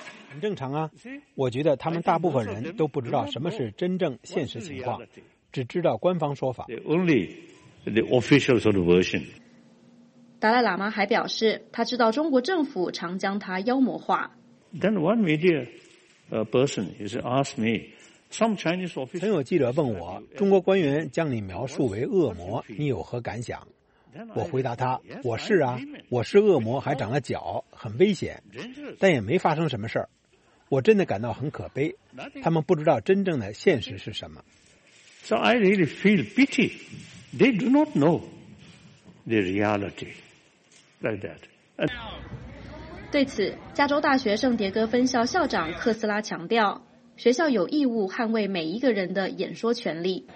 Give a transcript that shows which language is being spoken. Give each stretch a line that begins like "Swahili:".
Chinese: 很正常啊，我觉得他们大部分人都不知道什么是真正现实情况，只知道官方说法。
English: Only the official sort of version.
Chinese: 达赖喇嘛还表示，他知道中国政府常将他妖魔化。
English: Then one media person is asked me, some Chinese official.
Chinese: 曾有记者问我，中国官员将你描述为恶魔，你有何感想？我回答他，我是啊，我是恶魔，还长了脚，很危险，但也没发生什么事儿。我真的感到很可悲，他们不知道真正的现实是什么。
English: So I really feel pity. They do not know the reality like that.
Chinese: 对此，加州大学圣迭戈分校校长克斯拉强调，学校有义务捍卫每一个人的演说权利。